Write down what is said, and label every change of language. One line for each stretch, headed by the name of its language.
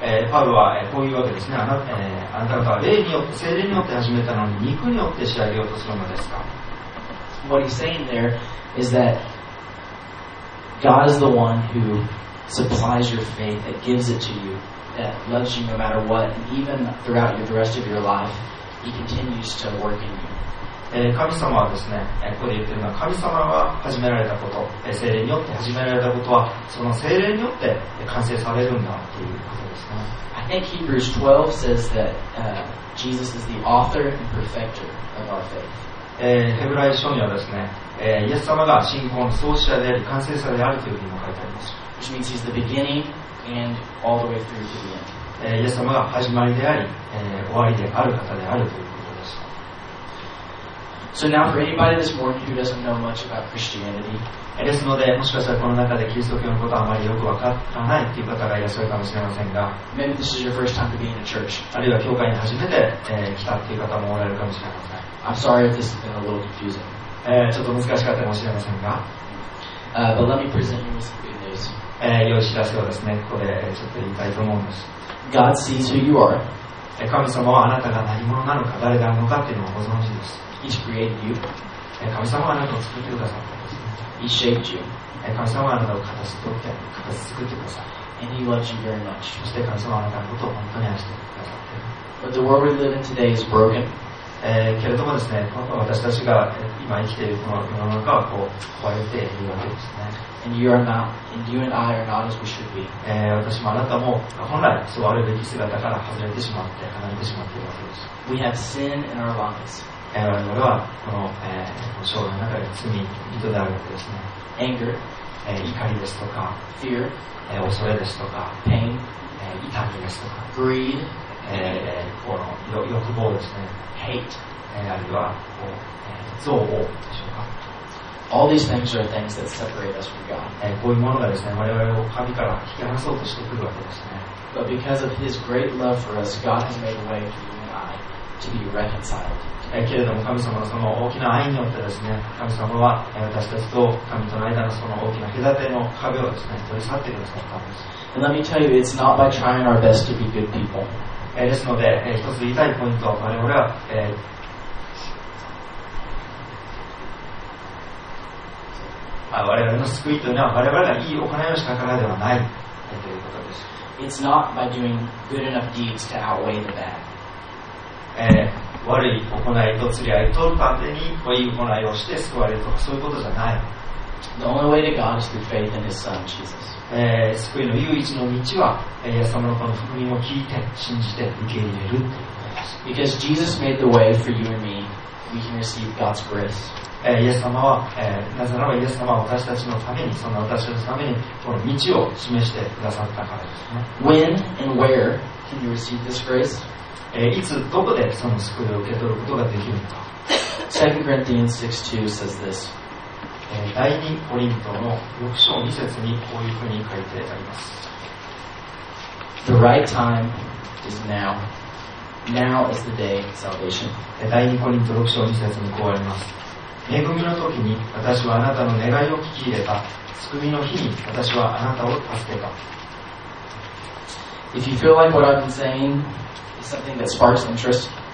Japanese: パウロはこういうわけですね。あなた方は聖霊によって始めたのに肉によって仕上げようとするのですか。
English: What he's saying there is that God is the one who supplies your faith, that gives it to you. That loves you no matter what, and even throughout the rest of your life, He continues to work in you.
Japanese: 神様はですね、ここで言っているのは、神様が始められたこと、聖霊によって始められたことは、その聖霊によって完成されるんだということですね。
English: I think Hebrews 12 says that Jesus is the author and perfecter of our faith.
Japanese: ヘブライ書にはですね、イエス様が信仰の創始者であり、完成者であるというふうにも書いてあります。
English: Which means He's the beginning. And all the way through to the end.
Japanese: イエス様が始まりであり、終わりである方であるということでした。
English: So now for anybody this morning who doesn't know much about Christianity,
Japanese: ですので、もしかしたらこの中でキリスト教のことはあまりよくわからないという方がいらっしゃるかもしれませんが、
English: maybe this is your first time to be in a church.
Japanese: あるいは教会に初めて、来たという方もおられるかもしれません。
English: I'm sorry if this has been a little confusing.
Japanese: ちょっと難しかったかもしれませんが、
English: but let me present you with some good news.
Japanese: よし、私はですね、ここでちょっと言いたいと思うんです。
English: God sees who you are.
Japanese: 神様はあなたが何者なのか、誰であるのかっていうのをご存知です。
English: He's created you.
Japanese: 神様はあなたを作ってくださったんです。
English: He shaped you.
Japanese: 神様はあなたを形作ってくださった。
English: And he loves you very much.
Japanese: そして神様はあなたのことを本当に愛してくださっている。
English: But the world we live in today is broken.
Japanese: けれどもですね、私たちが今生きているこの世の中はこう壊れているわけですね。
English: And you are not, and you and I are not as we should be.
Japanese: 私もあなたも本来そうあるべき姿から外れてしまって離れてしまっているわけです。
English: We have sin in our lives.
Japanese: 我々はこの生涯の中で罪人であるわけですね。
English: Anger.
Japanese: 怒りですとか。
English: Fear.
Japanese: 恐れですとか。
English: Pain.
Japanese: 痛みですとか。
English: Greed.
Japanese: この欲望ですね。
English: Hate.
Japanese: あるいは憎悪でしょうか。
English: All these things are things that separate us from God.
Japanese: こういうものがですね、我々を神から引き離そうとしてくるわけですね。
English: But because of His great love for us, God has made a way for you and I to be reconciled.
Japanese: けれども神様のその大きな愛によってですね、神様は私たちと神との間のその大きな隔ての壁をですね、取り去ってくださったんです。
English: And let me tell you, it's not by trying our best to be good people.
Japanese: ですので、一つ言いたいポイントは我々は、我々の救いというのは我々がいい行いをしたからではないということです。
English: It's not by doing good enough deeds to outweigh the bad.
Japanese: 悪い行いと釣り合いを取るためにこういう行いをして救われるとかそういうことじゃない。
English: The only way to God is through faith in His Son, Jesus.
Japanese: 救いの唯一の道は、イエス様のこの福音を聞いて信じて受け入れる。
English: Because Jesus made the way for you and me, we can receive God's grace.
Japanese: イエス様は、なぜならイエス様は私たちのためにそんな私たちのためにこの道を示してくださったからですね。
English: When and where can you receive this grace?
Japanese: いつどこでその救いを受け取ることができるのか。
English: 2 Corinthians 6:2 says this.
Japanese: 第2コリントの6章2節にこういうふうに書いてあります。
English: The right time is now. Now is the day of salvation.
Japanese: 第2コリント6章2節にこうあります。恵みの時に私はあなたの願いを聞き入れた。救いの日に私はあなたを助けた。
English: If you feel like what I've been saying is something that sparks interest,